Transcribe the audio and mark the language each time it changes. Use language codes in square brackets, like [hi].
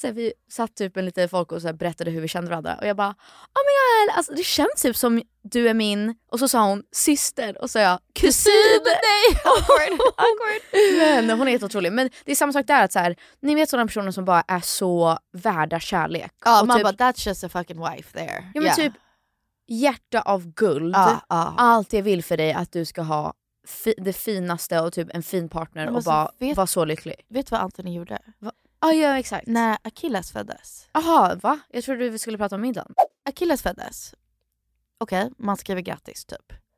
[sv] Så här, vi satt typ en liten folk och så här berättade hur vi kände varandra. Och jag bara, [en] oh my god. [sv] Alltså det känns typ som du är min. Och så sa hon, syster. Och så sa jag, kusin. Nej, awkward. Awkward. Men hon är helt otrolig. Men det är samma sak där. Att så här, ni vet sådana personer som bara är så värda kärlek. Ja, man bara, [en] that's just a fucking wife there. [sv] Ja, men typ. Hjärta av guld. Allt jag vill för dig att du ska ha det finaste och typ en fin partner. Men och bara vara så lycklig. Vet du vad Anthony gjorde? Ja, exakt. När Achilles föddes. Aha, va? Jag trodde vi skulle prata om middagen. Achilles föddes. Okej, okay, man skriver grattis typ.